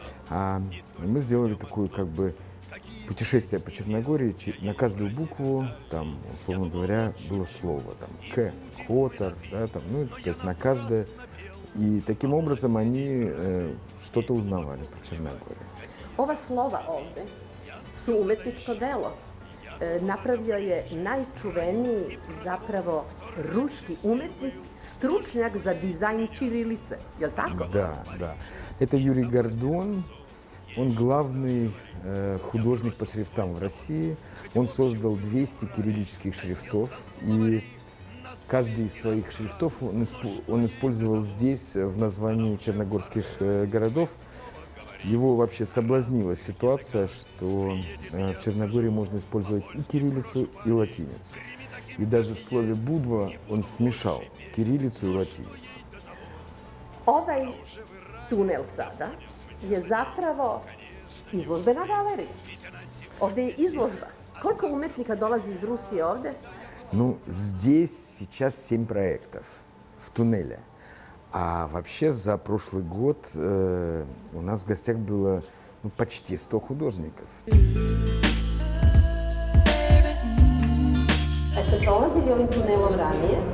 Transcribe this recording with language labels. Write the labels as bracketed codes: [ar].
[ru] А мы сделали такое, как бы, путешествие по Черногории. На каждую букву, там, условно говоря, было слово. Там, К, Хотор, да, там, ну, то есть на каждое... И таким образом они что-то узнавали про Черногорию. [sr] Ова слова овде су уметничко дело. Направио је најчувенији заправо руски уметник, стручњак за дизајн чирилице. Је ли тако? [ru] Да, да. Это Юрий Гордон. Он главный художник по шрифтам в России. Он создал 200 кириллических шрифтов. И каждый из своих шрифтов он использовал здесь, в названии черногорских городов. Его вообще соблазнила ситуация, что в Черногории можно использовать и кириллицу, и латиницу. И даже в слове «будва» он смешал кириллицу и латиницу. [sr] Овай туннель сада је заправо изложбена галерия. Овде је изложба. Колко уметника долази из Русии овде? [ru] Ну, здесь сейчас 7 проектов в туннеле. А вообще за прошлый год у нас в гостях было почти 100 художников. А что, [sr] пролазили овим туннелом ранее?